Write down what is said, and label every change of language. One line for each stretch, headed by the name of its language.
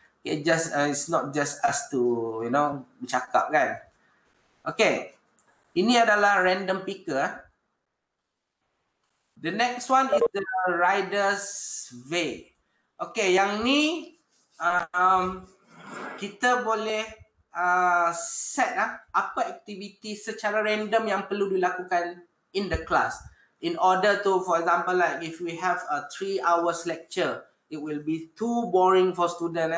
English: Okay, it's not just us to, you know,
Malay: bercakap kan. Okay, ini adalah random picker.
English: The next one is the rider's way.
Malay: Okay, yang ni kita boleh set apa aktiviti secara random yang perlu dilakukan
English: in the class. In order to, for example, like if we have a 3 hours lecture, it will be too boring for student.